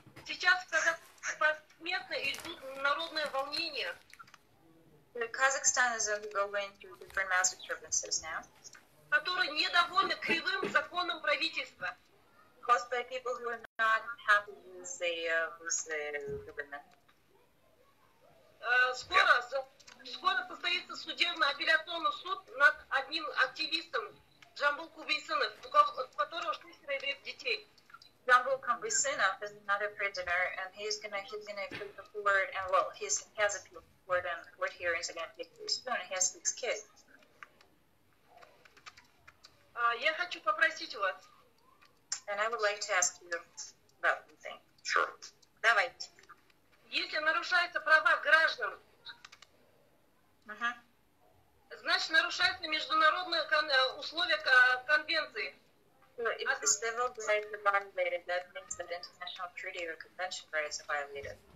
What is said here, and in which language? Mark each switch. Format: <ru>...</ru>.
<ru>Сейчас, когда посмертно идут народные волнения,</ru> <en>Kazakhstan is undergoing through different mass disturbances now.</en> <ru>Которые недовольны кривым законом правительства.</ru> <en>Caused by people who are not happy with the government.</en> <ru>Скоро состоится судебный апелляционный суд над одним активистом Джамбул Кубисынов, у которого 6 детей.</ru> <en>Jambul Kubisinov is another prisoner, and he's gonna appeal to court, and well, he has appealed to court, and court hearings again take place soon. He has 6 kids.</en> <ru>Я хочу попросить вас.</ru> <en>And I would like to ask you about one thing. Sure.</en> <ru>Давайте. Если нарушаются права граждан, значит, нарушаются международные условия конвенции.</ru> <en>Civil rights are violated, that means that international treaty or convention rights are violated.</en>